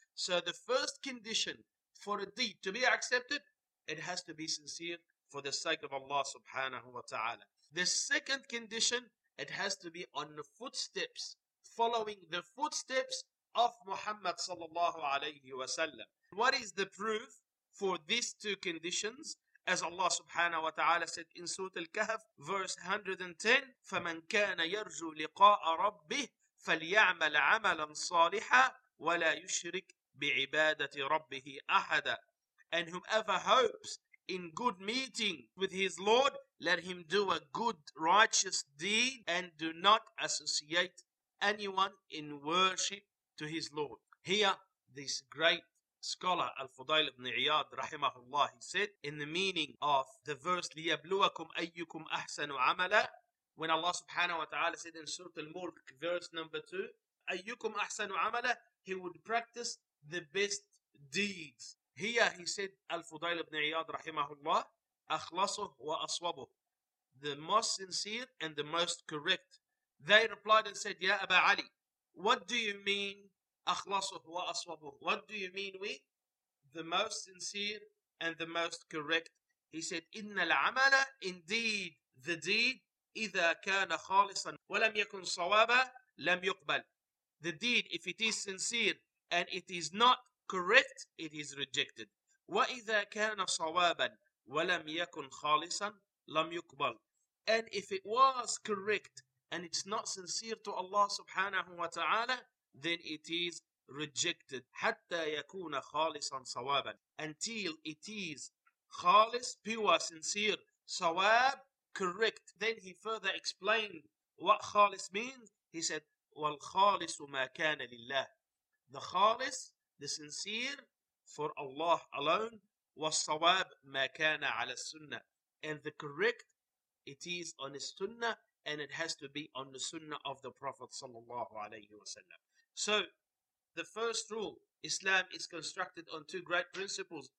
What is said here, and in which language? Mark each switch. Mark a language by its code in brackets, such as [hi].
[en] So the first condition for a deed to be accepted, it has to be sincere for the sake of Allah subhanahu wa ta'ala. The second condition, it has to be on the footsteps, following the footsteps of Muhammad sallallahu alayhi wa sallam. What is the proof for these two conditions? As Allah subhanahu wa ta'ala said in Surah Al-Kahf, verse 110, [ar] فَمَنْ كَانَ يَرْجُو لِقَاءَ رَبِّهِ فَلْيَعْمَلْ عَمَلًا صَالِحًا وَلَا يُشْرِكْ بِعِبَادَةِ رَبِّهِ أَحَدًا. [en] And whomever hopes in good meeting with his Lord, let him do a good righteous deed and do not associate anyone in worship to his Lord. Here, this great scholar, Al-Fudayl ibn Iyad, rahimahullah, he said, in the meaning of the verse, [ar] لِيَبْلُوَكُمْ أَيُّكُمْ أَحْسَنُ عَمَلًا, [en] when Allah subhanahu wa ta'ala said in Surah Al-Mulk, verse number 2, [ar] أَيُّكُمْ أَحْسَنُ عَمَلًا, [en] he would practice the best deeds. Here he said, Al-Fudayl ibn Iyad, rahimahullah, [ar] أخلصه وأصوبه, [en] the most sincere and the most correct. They replied and said, Ya Aba Ali, what do you mean, [ar] أخلصه وأصوبه? [en] What do you mean with the most sincere and the most correct? He said, [ar] إن العمل, [en] indeed, the deed, [ar] إذا كان خالصا ولم يكن صوابا لم يقبل. [en] The deed, if it is sincere and it is not correct, it is rejected. [ar] وَإِذَا كَانَ صَوَابًا وَلَمْ يَكُنْ خَالِصًا لَمْ يُقْبَلْ. [en] And if it was correct and it's not sincere to Allah subhanahu wa ta'ala, then it is rejected. [ar] حَتَّى يَكُونَ خَالِصًا صَوَابًا. [en] Until it is خالص, pure, sincere, صواب, correct. Then he further explained what خالص means. He said, [ar] وَالْخَالِصُ مَا كَانَ لِلَّهِ. [en] The خالص, the sincere, for Allah alone, [ar] والصواب ما كان على السنة. [en] And the correct, it is on the sunnah, and it has to be on the sunnah of the Prophet sallallahu alayhi wasallam. So, the first rule, Islam is constructed on two great principles.